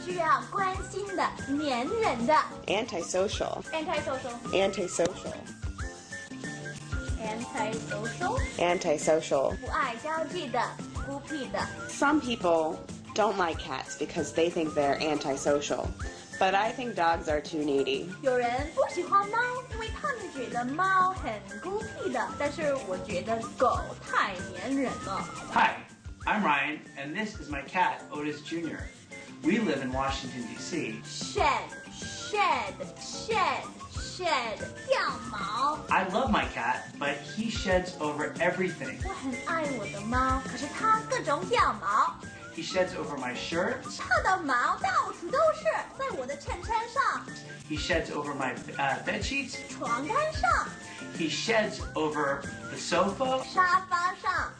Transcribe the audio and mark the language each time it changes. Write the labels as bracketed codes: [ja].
[zh] 需要关心的，黏人的。 [en] Antisocial. Antisocial. Antisocial. Antisocial. Antisocial. Antisocial. Some people don't like cats because they think they're antisocial. But I think dogs are too needy. [zh] 有人不喜欢猫，因为他们觉得猫很孤僻的。但是我觉得狗太黏人了。 [en] Hi, I'm Ryan, and this is my cat, Otis Jr. We live in Washington, D.C. Shed, shed, shed. I love my cat, but he sheds over everything. [zh] 我很爱我的猫，可是它各种掉毛。 [en] He sheds over my shirt. [zh] 它的毛到处都是，在我的衬衫上。 [en] He sheds over my bed sheets. [zh] 床单上。 [en] He sheds over the sofa. [zh] 沙发上。